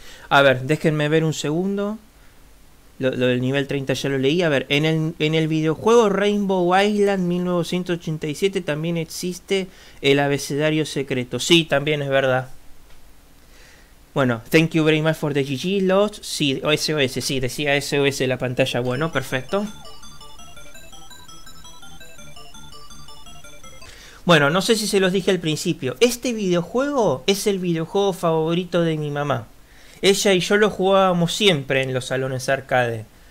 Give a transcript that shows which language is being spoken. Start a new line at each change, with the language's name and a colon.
Spanish: A ver, déjenme ver un segundo. Lo del nivel 30 ya lo leí. A ver, en el videojuego Rainbow Island 1987 también existe el abecedario secreto. Sí, también es verdad.
English: Bueno, thank you very much for the GG, Lost.
Spanish: Sí, SOS, sí, decía SOS la pantalla. Bueno, perfecto. Bueno, no sé si se los dije al principio. Este videojuego es el videojuego favorito de mi mamá. Ella y yo lo jugábamos siempre en los salones arcade.